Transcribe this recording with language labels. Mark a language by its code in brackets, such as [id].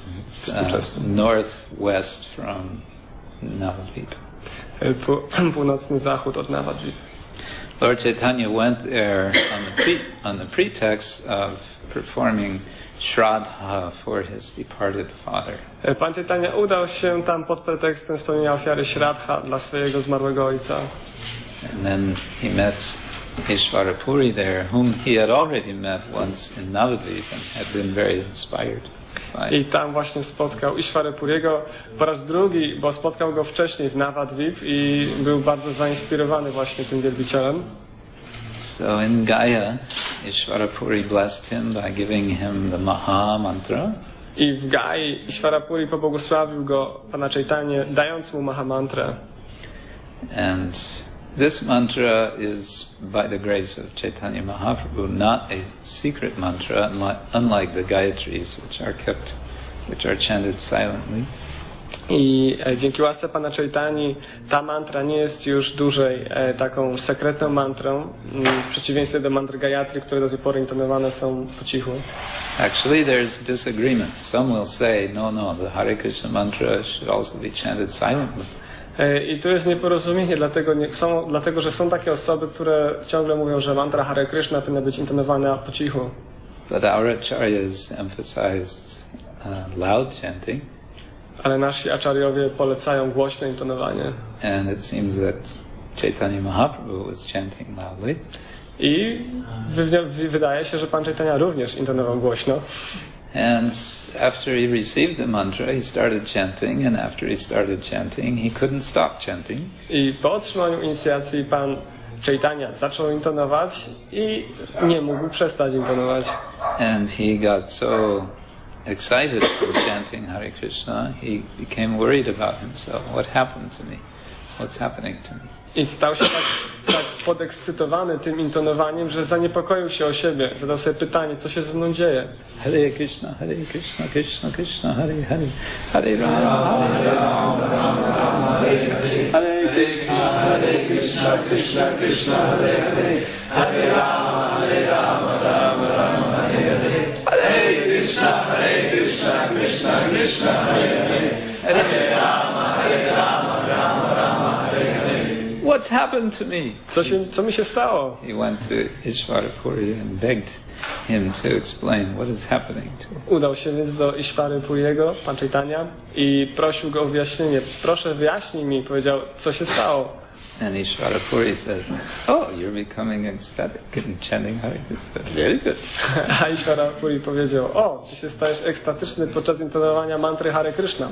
[en] It's northwest from Navadvip. [pl] Północny zachód od Navadvip. [en] Lord Chaitanya went there on the pretext of performing Shraddha for his departed father. [pl] Pan Chaitanya udał się tam pod pretekstem spełnienia ofiary Shraddha dla swojego zmarłego ojca. [en] And then he met Ishvara Puri there, whom he had already met once in Navadvip and had been very inspired by. [pl] I tam właśnie spotkał Ishvara Puriego po raz drugi, bo spotkał go wcześniej w Navadvip i był bardzo zainspirowany właśnie tym wielbicielem. [en] So in Gaya, Ishvara Puri blessed him by giving him the Maha Mantra. [pl] I w Gai Ishvara Puri pobłogosławił go Pana Chaitanya, dając mu Maha Mantra. [en] And this mantra is, by the grace of Chaitanya Mahaprabhu, not a secret mantra, unlike the Gayatris, which are chanted silently. [pl] I dzięki łasce Pana Chaitani, ta mantra nie jest już dłużej taką sekretną mantrą, w przeciwieństwie do mantry Gayatri, które do tej pory intonowane są po cichu. [en] Actually, there's disagreement. Some will say, no, the Hare Krishna mantra should also be chanted silently. [pl] I tu jest nieporozumienie, dlatego że są takie osoby, które ciągle mówią, że mantra Hare Krishna powinna być intonowana po cichu. [en] But our acharyas emphasized loud chanting. [pl] Ale nasi acharyowie polecają głośne intonowanie. [en] And it seems that Chaitanya Mahaprabhu was chanting loudly. [pl] I wydaje się, że Pan Chaitanya również intonował głośno. [en] And after he received the mantra, he started chanting, and after he started chanting, he couldn't stop chanting. [pl] I po otrzymaniu inicjacji Pan Chaitanya zaczął intonować i nie mógł przestać intonować. [en] And he got so excited from chanting Hare Krishna, he became worried about himself. What happened to me? What's happening to me? [pl] I stał się tak podekscytowany tym intonowaniem, że zaniepokoił się o siebie. Zadał sobie pytanie, co się ze mną dzieje. [sa] Hare Krishna, Hare Krishna, Krishna Krishna, Hare Hare, Hare Rama, Hare Rama, Hare Hare, Hare Krishna, Hare Krishna, Krishna Krishna, Hare Hare, Hare Rama, Hare Rama, Rama Rama, Hare Hare, Hare Krishna, Hare Krishna, Krishna Krishna, Hare Hare, Hare Rama, Hare Rama, Rama Rama, Hare Hare. [en] What's happened to me? [pl] Co mi się stało? [en] He went to Ishvara Puri and begged him to explain what is happening to him. [pl] Udał się więc do Ishvara Puriego, Pan Chaitanya, i prosił go o wyjaśnienie. Proszę, wyjaśnij mi, powiedział, co się stało. [en] And Ishvara Puri said, oh, you're becoming ecstatic and chanting Hare Krishna. Very good. [pl] A Ishvara Puri powiedział, o, ty się stajesz ekstatyczny podczas intonowania mantry Hare Krishna.